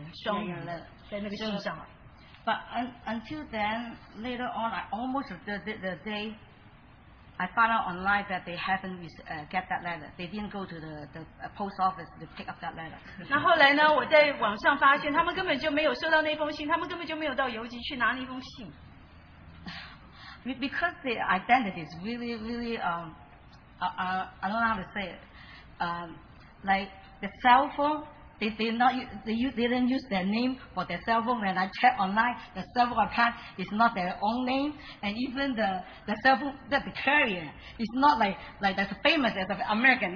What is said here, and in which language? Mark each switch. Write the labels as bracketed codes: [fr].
[zh] 我并且写了中文跟英文双语在那个信上。 [en] But until then, later on, I almost the day I found out online that they haven't get that letter. They didn't go to the post office to pick up that letter. [zh] 那后来呢，我在网上发现他们根本就没有收到那封信，他们根本就没有到邮局去拿那封信。 [en] Because the identity is really, really I don't know how to say it. Like the cell phone. They didn't use their name for their cell phone. When I check online, the cell phone account is not their own name, and even the cell phone that the carrier is not like that's famous as an American.